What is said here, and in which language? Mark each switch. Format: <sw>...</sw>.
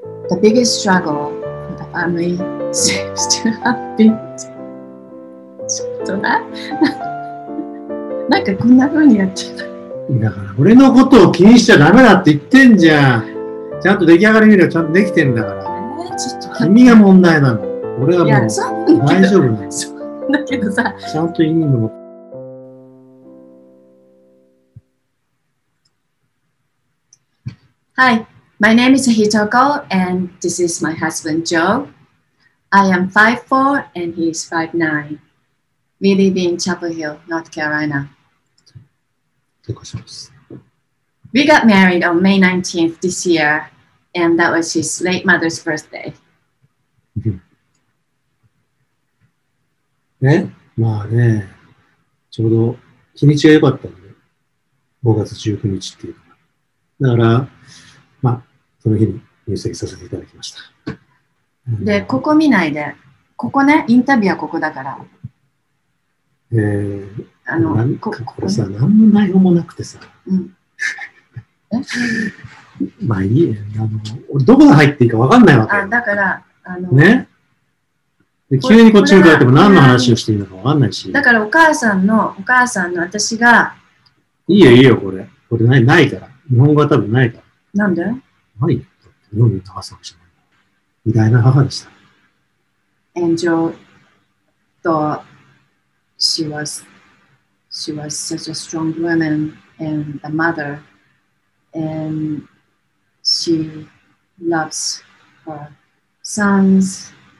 <en>The biggest struggle for the family seems to have been...</en> <ja>ちょっとな、なんかこんな風にやってた。だから俺のことを気にしちゃダメだって言ってんじゃん。ちゃんと出来上がり見ればちゃんとできてんだから。ちょっと待って。君が問題なの。俺はもう大丈夫なの。だけどさ。ちゃんと意味の。</ja> <en>Hi, my name is Hitoko and this is my husband Joe. I am 5'4 and he is 5'9. We live in Chapel Hill, North Carolina. We got married on May 19th this year, and that was his late mother's birthday.</en> <ja>ね、まあね、ちょうど日にちが良かったんで、5月19日っていうか。だから、まあ、その日に入籍させていただきました。で、ここ見ないで、ここね、インタビューはここだから。なんかこれさ、何の内容もなくてさ、うん、まあいいや、どこが入っていいか分かんないわけ。あ、だから、ね、で急にこっちに帰っても何の話をしていいのか分かんないし、だからお母さんの、お母さんの私が、いいよいいよ、これないから、日本語は多分ないから。なんで？はい、だって日本人の母さんじゃない、偉大な母でした。炎上と死は、</ja> <en>She was such a strong woman and a mother, and she loves her sons.</en>